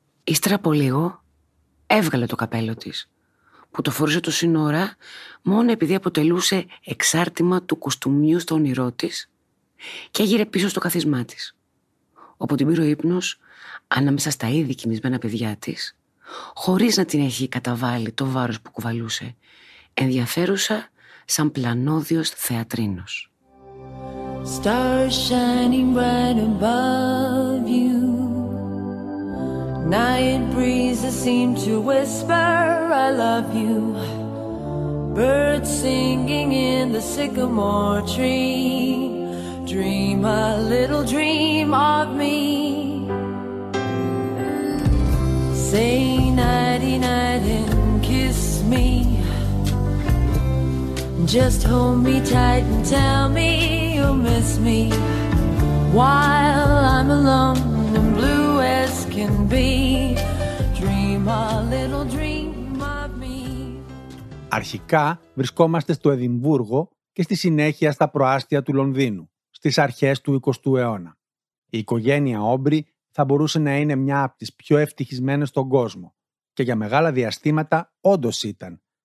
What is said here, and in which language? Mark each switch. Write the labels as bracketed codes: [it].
[el] Ύστερα από λίγο έβγαλε το καπέλο της, που το φορούσε το σύνορα μόνο επειδή αποτελούσε εξάρτημα του κοστούμιου στο όνειρό της και έγειρε πίσω στο καθισμά της. Όπου την πήρε ο ύπνος ανάμεσα στα ήδη κοιμισμένα παιδιά της, χωρίς να την έχει καταβάλει το βάρος που κουβαλούσε, ενδιαφέρουσα σαν πλανόδιος θεατρίνος. [en] Stars shining bright above you. Night breezes seem to whisper, I love you. Birds singing in the sycamore tree. Dream a little dream of me. Say nighty night and kiss me. Just hold me tight and tell me you'll miss me. While I'm alone and blue as can be. Dream a little dream of me. [el] Αρχικά βρισκόμαστε στο Εδιμβούργο και στη συνέχεια στα προάστια του Λονδίνου, στις αρχές του 20ου αιώνα. Η οικογένεια Όμπρι θα μπορούσε να είναι μια από τις πιο ευτυχισμένες στον κόσμο και για μεγάλα διαστήματα όντως ήταν.